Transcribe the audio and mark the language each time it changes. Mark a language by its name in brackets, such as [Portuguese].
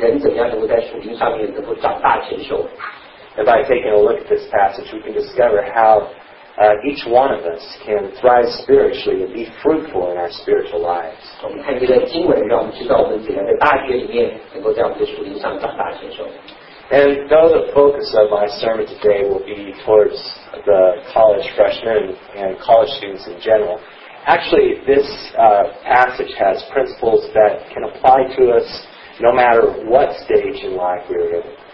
[Chinese] 在这一章里面，耶稣用一个农夫撒种的比喻，他种撒在不同的土地上面，来告诉我们人怎样能够在属灵上面能够长大成熟。 [English] And by taking a look at this passage, we can discover how each one of us can thrive spiritually and be fruitful in our spiritual lives. [Chinese] 我们看这个经文，让我们知道我们怎样在大学里面能够在我们的属灵上长大成熟。 [English] And though the focus of my sermon today will be towards the college freshmen and college students in general, actually this passage has principles that can apply to us no matter what stage in life we're in.